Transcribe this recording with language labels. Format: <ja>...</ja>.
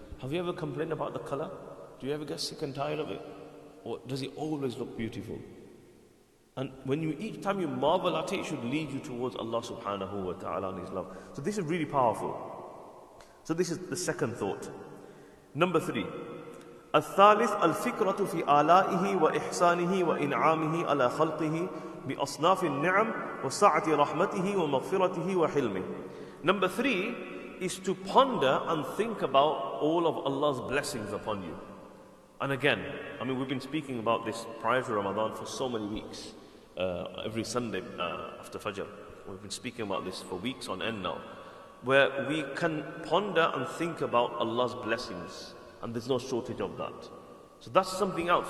<en>Have you ever complained about the color? Do you ever get sick and tired of it? Or does it always look beautiful? And when you, each time you marvel at it, it should lead you towards Allah subhanahu wa ta'ala and His love. So this is really powerful. So this is the second thought. Number three.</en> <ar>الثالث الفكرة في آلائه وإحسانه وإنعامه على خلقه بأصناف النعم وسعة رحمته ومغفرته وحلمه.</ar> <en>Number three is to ponder and think about all of Allah's blessings upon you. And again, I mean, we've been speaking about this prior to Ramadan for so many weeks. Every Sunday after Fajr, we've been speaking about this for weeks on end now, where we can ponder and think about Allah's blessings, and there's no shortage of that. So that's something else.</en>